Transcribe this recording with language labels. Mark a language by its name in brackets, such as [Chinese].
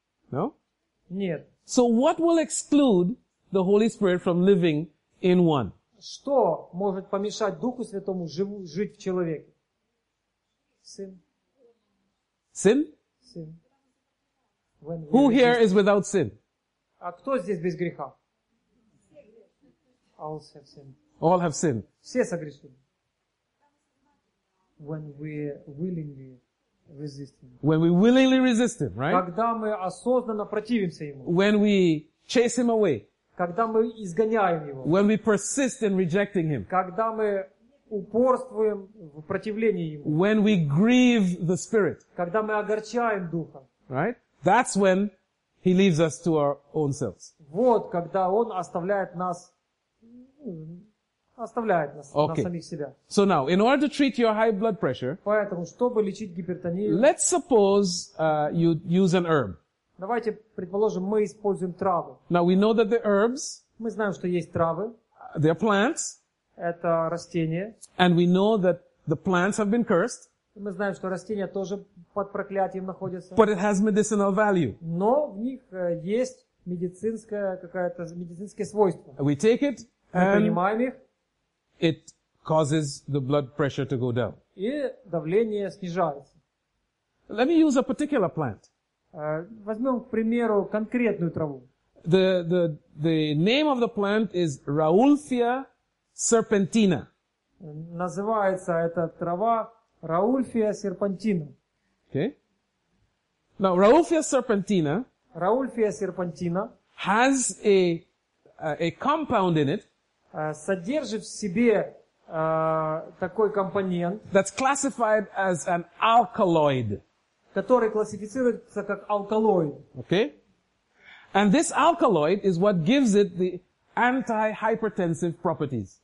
[English] No? [Russian] Нет. [English] So what will exclude the Holy Spirit from living in one? [Russian] Что может помешать Духу Святому жить в человеке? [English] Sin. Sin? Sin. Who here is without sin? [Russian] А кто здесь без греха? [English] All have sinned. All have sinned. [Russian] Все согрешили. [English] When we willingly resist him. When we willingly resist him, right? [Russian] Когда мы осознанно противимся ему. [English] When we chase him away. [Russian] Когда мы изгоняем его. [English] When we persist in rejecting him. [Russian] Когда мы упорствуем в противлении ему. [English] When we grieve the Spirit. [Russian] Когда мы огорчаем Духа. [English] Right? That's when he leaves us to our own selves. [Russian] Вот когда он оставляет нас, [English] Okay. [Russian] на самих себя. [English] So now, in order to treat your high blood pressure, [Russian] поэтому чтобы лечить гипертонию, [English] let's suppose you use an herb. [Russian] Давайте предположим, мы используем травы. [English] Now we know that the herbs. [Russian] Мы знаем, что есть травы. [English] They're plants. [Russian] Это растения. [English] And we know that the plants have been cursed. [Russian] Мы знаем, что растения тоже под проклятием находятся. [English] But it has medicinal value. [Russian] Но в них есть медицинское какое-то медицинское свойство. [English] We take it. [Russian] And мы принимаем их. [English] It causes the blood pressure to go down. [Russian] И давление снижается. [English] Let me use a particular plant. [Russian] Возьмем, к примеру, конкретную траву. [English] The name of the plant is Raulfia serpentina. [Russian] Называется эта трава Raulfia serpentina. [English] Okay. Now, Raulfia serpentina. Raulfia serpentina. Has a compound in it. [Russian] Содержит в себе такой компонент. [English] That's classified as an alkaloid. [Russian] Который классифицируется как алкалоид. [English] Okay. And this alkaloid is what gives it the anti-hypertensive properties.